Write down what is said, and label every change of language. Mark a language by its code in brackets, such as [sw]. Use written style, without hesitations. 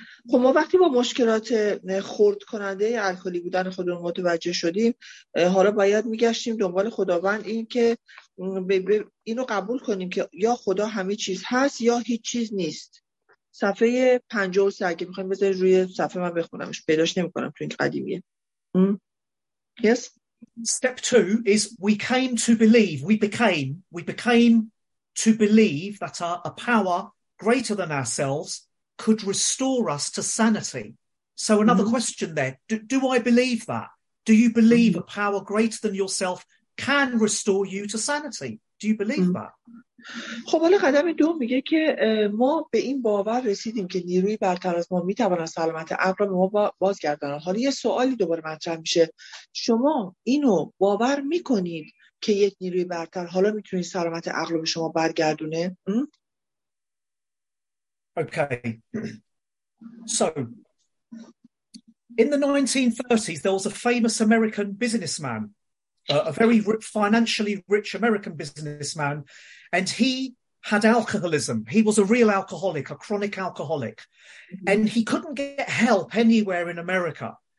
[fa] خب ما وقتی با مشکلات خورد کننده الکلی بودن خودمون متوجه شدیم، حالا باید میگشتیم دنبال خداوند این که اینو قبول کنیم که یا خدا همه چیز هست یا هیچ چیز نیست. صفحه 53 اگه میخواییم بذاری روی صفحه من بخونمش، پیداش نمی کنم چون قدیمیه. [en] Yes. Step two is we came to believe, we became to believe that a power greater than ourselves could restore us to sanity. So another question there, do I believe that? Do you believe a power greater than yourself can restore you to sanity? Do you believe that? [fa] خب حالا قدم دو میگه که ما به این باور رسیدیم که نیروی برتر از ما میتواند سلامت عقل ما بازگرداند. حالا یه سوالی دوباره مطرح میشه، شما اینو باور میکنید که یک نیروی برتر حالا میتونه سلامت عقل رو به شما برگردونه؟ [en] Okay. So in the 1930s there was a famous American businessman, a very financially rich American businessman, and he had alcoholism. He was a real alcoholic, a chronic alcoholic, and he couldn't get help anywhere in America.